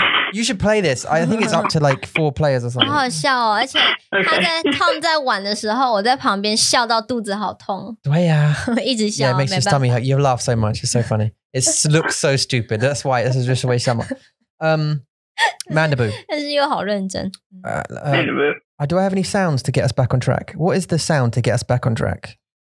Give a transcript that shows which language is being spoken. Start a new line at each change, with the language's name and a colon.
English: You should play this. I think it's up to like four players or something.
Chinese: 好好笑哦,而且他在Tom在玩的时候, 我在旁边笑到肚子好痛。对啊。一直笑,
English: yeah, it makes your stomach hurt. You laugh so much, it's so funny. It looks so stupid. That's why this is just a way summer. Mandaboo.
Chinese: 但是又好认真。
English: Do I have any sounds to get us back on track? What is the sound to get us back on track?